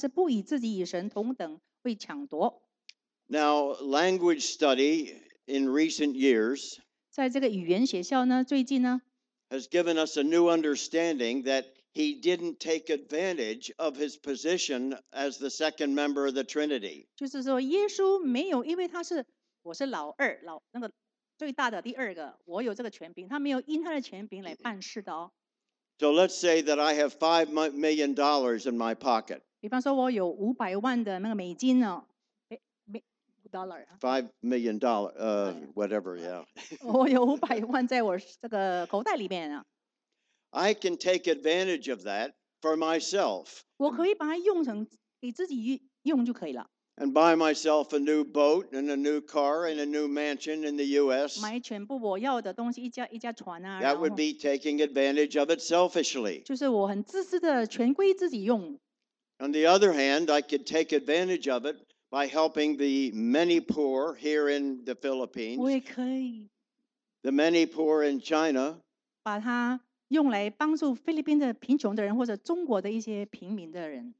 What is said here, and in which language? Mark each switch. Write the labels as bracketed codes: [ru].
[zh] 第六节就讲到他的被羞辱,他本有神的形象,但是不以自己与神同等为抢夺。 [en] Now, language study in recent years [zh] 在这个语言学校呢,最近呢, [en] has given us a new understanding that he didn't take advantage of his position as the second member of the Trinity. [zh] 就是说耶稣没有,因为他是,我是老二,那个最大的第二个,我有这个权柄,他没有因他的权柄来办事的哦。 [en] So let's say that I have $5 million in my pocket. [zh] 比方说我有500万的那个美金哦, [en] $5 million, whatever, yeah. [zh] 我有500万在我这个口袋里面啊。 [en] I can take advantage of that for myself. [zh] 我可以把它用成给自己用就可以了。 [en] And buy myself a new boat and a new car and a new mansion in the U.S. [zh] 买全部我要的东西,一架船啊, [en] that would be taking advantage of it selfishly. [zh] 就是我很自私的全归自己用。 [en] On the other hand, I could take advantage of it by helping the many poor here in the Philippines. [zh] 我也可以。 [en] The many poor in China. [zh] 把它 用来帮助菲律宾的贫穷的人或者中国的一些平民的人。